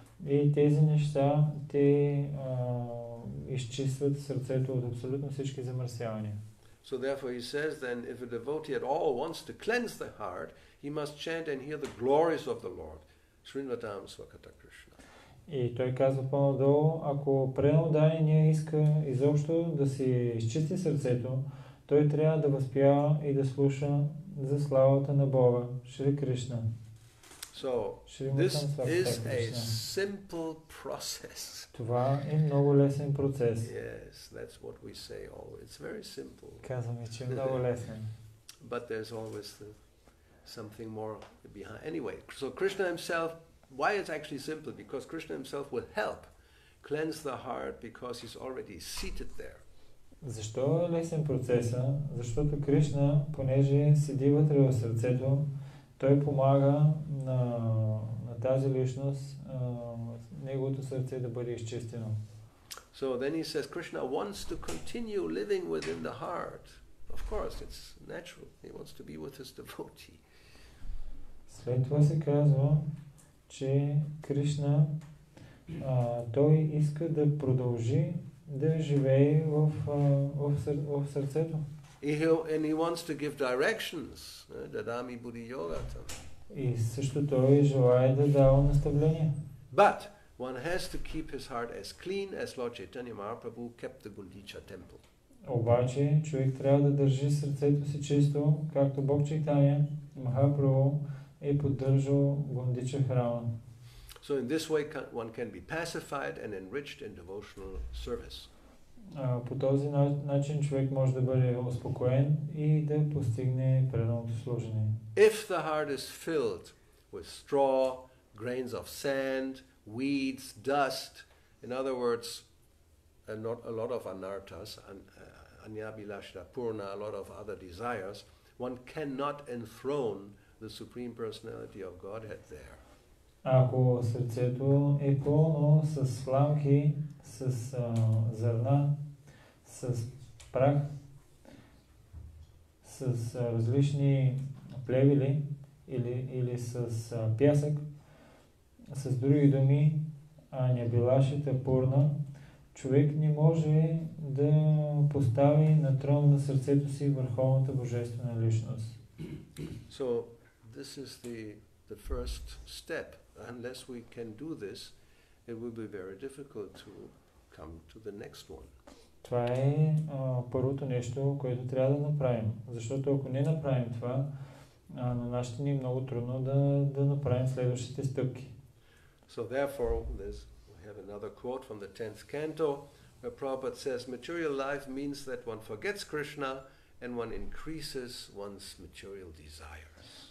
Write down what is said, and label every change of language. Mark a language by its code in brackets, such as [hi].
[bg] И тези неща, те изчистват сърцето от абсолютно всички замърсявания. [en] So therefore he says then, if a devotee at all wants to cleanse the heart, he must chant and hear the glories of the Lord, Srinivatam Svakata Krishna. [bg] И той казва по-надолу, ако преднодание иска изобщо да си изчисти сърцето, той трябва да възпява и да слуша за славата на Бога, Шри Кришна. [en] So, this is a simple process. [bg] Това е много лесен процес. [en] Yes, that's what we say always. It's very simple. [bg] Казваме, че е много лесен. [en] But there's always something more behind. Anyway, so Krishna himself, why it's actually simple? Because Krishna himself will help cleanse the heart because he's already seated there. [bg] Защо е лесен процеса? Защото Кришна, понеже седи вътре в сърцето, той помага на тази личност, неговото сърце да бъде изчистено. [en] So then he says Krishna wants to continue living within the heart. Of course, it's natural. He wants to be with his devotee. [bg] След това се казва, че Кришна, той иска да продължи да живее в сърцето. [en] And he wants to give directions, [sa] Dadami Buddhi Yogatam. [bg] И също той желае да дава наставления. [en] But one has to keep his heart as clean as Lord Chaitanya Mahaprabhu kept the Gundicha temple. [bg] Обаче човек трябва да държи сърцето си чисто, както Бог Чайтанья Махапрабху е поддържал Гундича храма. [en] So in this way one can be pacified and enriched in devotional service. [bg] По този начин човек може да бъде успокоен и да постигне преданото служение. [en] If the heart is filled with straw, grains of sand, weeds, dust, in other words, not a lot of anartas, anyabilashita purna, a lot of other desires, one cannot enthrone the Supreme Personality of Godhead there. [bg] Ако сърцето е пълно с сламки, с зърна, с прах, с различни плевели или с пясък, с други думи, анябилашита пурна, човек не може да постави на трон на сърцето си върховната божествена личност. [en] So, this is the first step. Unless we can do this, it will be very difficult to come to the next one. [bg] Това е първото нещо, което трябва да направим. Защото ако не направим това, а на нашите ни много трудно да, да направим следващите стъпки. [en] So therefore, this, we have another quote from the 10th canto, where Prabhupada says, material life means that one forgets Krishna and one increases one's material desires.